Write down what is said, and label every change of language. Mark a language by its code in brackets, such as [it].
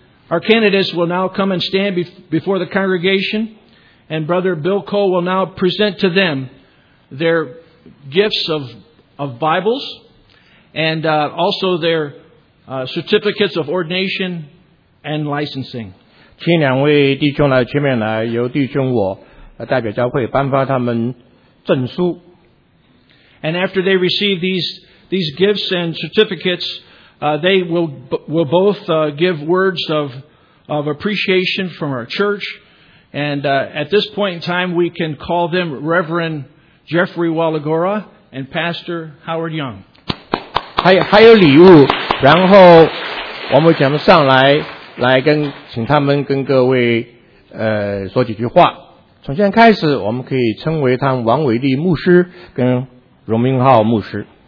[en] Our candidates will now come and stand before the congregation, and Brother Bill Cole will now present to them their gifts of Bibles and also their certificates of ordination and licensing. [zh] 请两位弟兄来前面来，由弟兄我代表教会颁发他们证书。 [en] And after they receive these gifts and certificates, they will both give words of appreciation from our church. And at this point in time, we can call them Reverend Jeffrey Walagora and Pastor Howard Young. [zh] 还有礼物，然后我们讲上来。来跟请他们跟各位说几句话。从现在开始，我们可以称为他们王伟立牧师跟荣明浩牧师。